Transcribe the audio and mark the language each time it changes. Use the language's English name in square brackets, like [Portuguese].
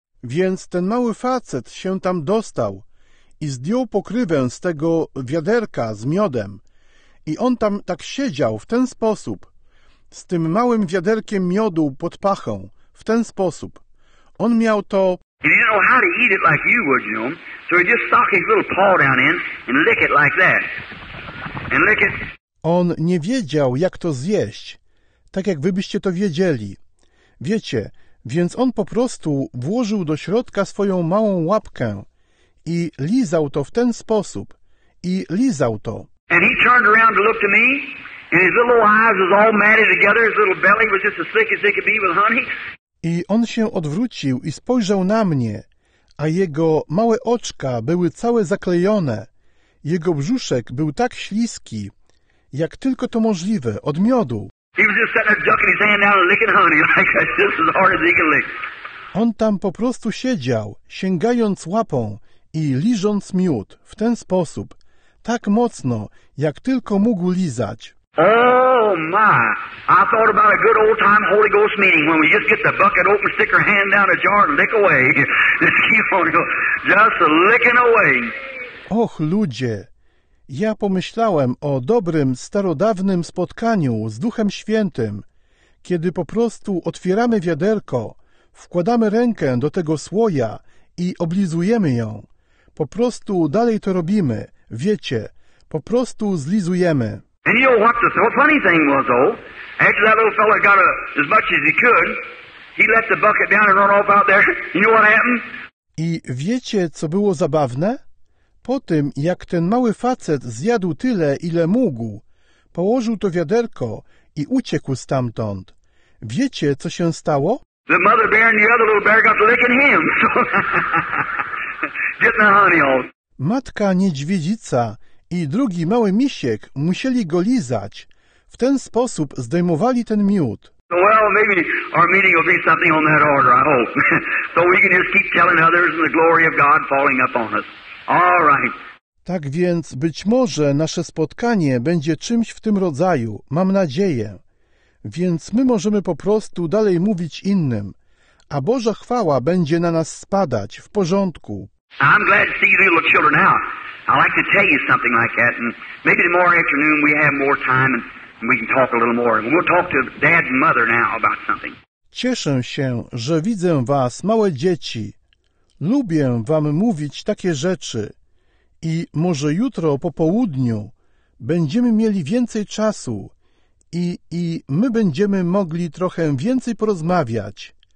[Polish] Więc ten mały facet się tam dostał i zdjął pokrywę z tego wiaderka z miodem. I on tam tak siedział w ten sposób, z tym małym wiaderkiem miodu pod pachą, w ten sposób. On miał to... [English] And he didn't know how to eat it like you would, you know. So he just stuck his little paw down in and lick it like that. And lick it. [Polish] On nie wiedział, jak to zjeść. Tak jak wy byście to wiedzieli. Wiecie, więc on po prostu włożył do środka swoją małą łapkę i lizał to w ten sposób. I lizał to. [English] And he turned around to look to me, and his little eyes was all matted together, his little belly was just as thick as it could be with honey. [Polish] I on się odwrócił i spojrzał na mnie, a jego małe oczka były całe zaklejone. Jego brzuszek był tak śliski, jak tylko to możliwe, od miodu. [English] He was just sitting there ducking his hand down and licking honey like that, just as hard as he could lick. [Polish] On tam po prostu siedział, sięgając łapą i liżąc miód w ten sposób, tak mocno, jak tylko mógł lizać. [English] Oh my! I thought about a good old time Holy Ghost meeting when we just get the bucket open, stick our hand down a jar and lick away. Just keep on going. Just licking away. [Polish] Och, ludzie! Ja pomyślałem o dobrym, starodawnym spotkaniu z Duchem Świętym, kiedy po prostu otwieramy wiaderko, wkładamy rękę do tego słoja i oblizujemy ją. Po prostu dalej to robimy, wiecie, po prostu zlizujemy. [English] And you know what the funny thing was, though? After that little fella got as much as he could, he let the bucket down and run off out there. You know what happened? [Polish] I wiecie, co było zabawne? Po tym, jak ten mały facet zjadł tyle, ile mógł, położył to wiaderko i uciekł stamtąd. Wiecie, co się stało? [English] The mother bear and the other little bear got to licking him. Getting the honey off. [Polish] Matka niedźwiedzica i drugi mały misiek musieli go lizać. W ten sposób zdejmowali ten miód. [English] Well, maybe our meeting will be something on that order, I hope. So we can just keep telling others and the glory of God falling upon us. All right. [Polish] Tak więc być może nasze spotkanie będzie czymś w tym rodzaju, mam nadzieję. Więc my możemy po prostu dalej mówić innym, a Boża chwała będzie na nas spadać, w porządku. [English] I'm glad to see you little children out. I'd like to tell you something like that, and maybe tomorrow afternoon we have more time and we can talk a little more. We'll talk to dad and mother now about something. [Polish] Cieszę się, że widzę was, małe dzieci. Lubię wam mówić takie rzeczy i może jutro po południu będziemy mieli więcej czasu i my będziemy mogli trochę więcej porozmawiać.